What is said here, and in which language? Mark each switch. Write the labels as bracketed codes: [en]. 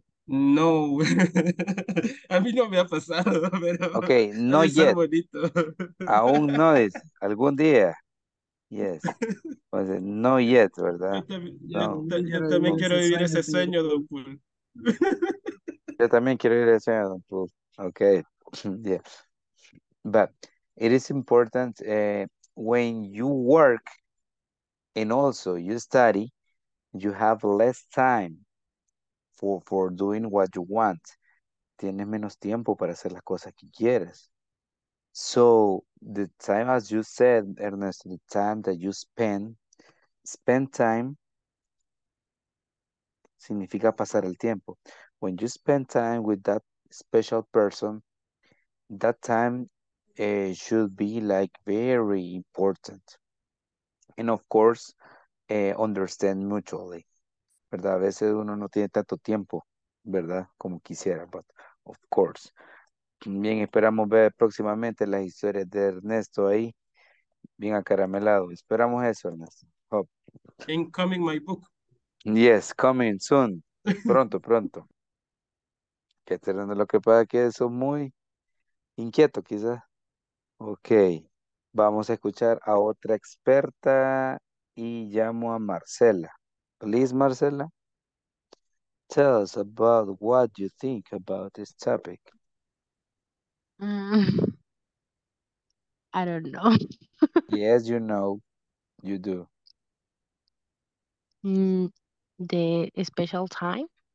[es] No, a mí no me ha pasado, pero [en] okay, not yet. [es] Bonito. Aún no es, algún día. Yes, pues, no yet, ¿verdad? Yo también quiero vivir ese sueño, Don Pool. Yo también quiero vivir ese sueño, Don Pool. [en] Okay, yeah. But it is important when you work and also you study, you have less time. For doing what you want. [es] Tienes menos tiempo para hacer las cosas que quieres. [en] So, the time, as you said, Ernesto, the time that you spend time, [es] significa pasar el tiempo. [en] When you spend time with that special person, that time should be like very important. And of course, understand mutually. ¿Verdad? [es] A veces uno no tiene tanto tiempo, ¿verdad? Como quisiera, [en] but of course. [es] Bien, esperamos ver próximamente las historias de Ernesto ahí, bien acaramelado. Esperamos eso, Ernesto. Hope. [en] Incoming my book. Yes, coming soon. [es] Pronto, pronto. Que esté dando lo que pueda, que eso muy inquieto, quizás. Ok, vamos a escuchar a otra experta y llamo a Marcela. [en] Please, Marcela, tell us about what you think about this topic. I don't know. Yes, you know, you do. The special time.